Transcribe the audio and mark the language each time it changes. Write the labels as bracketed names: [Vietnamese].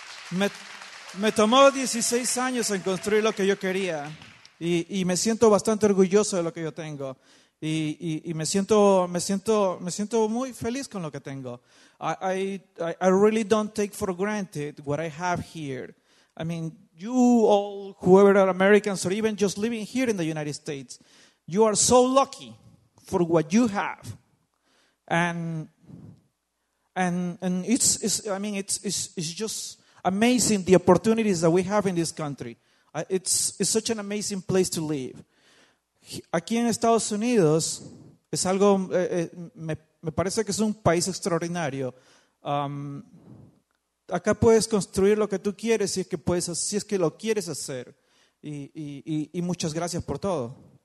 [Spanish] Me tomó 16 años en construir lo que yo quería y me siento bastante orgulloso de lo que yo tengo y me siento muy feliz con lo que tengo. [English] I really don't take for granted what I have here. I mean, you all, whoever are Americans or even just living here in the United States, you are so lucky for what you have. And it's just amazing the opportunities that we have in this country. It's such an amazing place to live. [Spanish] Aquí en Estados Unidos es algo, me parece que es un país extraordinario. Acá puedes construir lo que tú quieres si es que lo quieres hacer. Y muchas gracias por todo.